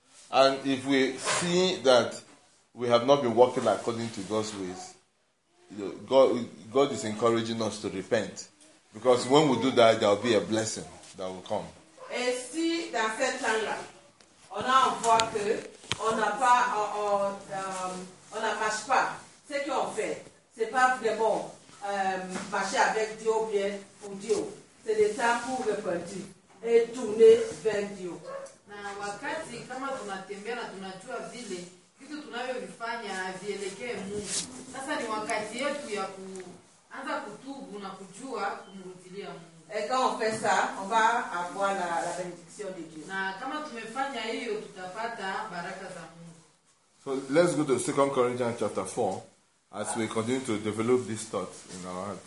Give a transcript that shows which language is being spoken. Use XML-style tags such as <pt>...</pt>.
<en>And if we see that we have not been walking according to God's ways, God is encouraging us to repent. Because when we do that, there will be a blessing that will come.</en> <fr>Et si dans ce temps-là, on a un voit que on n'a pas, on n'a marche pas. Ce qu'on fait, ce n'est pas vraiment marcher avec Dieu ou bien pour Dieu. C'est le temps pour repentir et tourner vers Dieu.</fr> <sw>Na wakati kama tunatembea na tunajua vile kitu tunavyovifanya vielekee Mungu. Sasa ni wakati yetu ya kuanza kutubu na kujua kumrudilia Mungu.</sw> <fr>Et quand on fait ça, on va avoir la bénédiction de Dieu.</fr> <sw>Na kama tumefanya hiyo tutapata baraka za Mungu.</sw> <en>So let's go to 2 Corinthians chapter 4 as we continue to develop this thought in our heart.</en>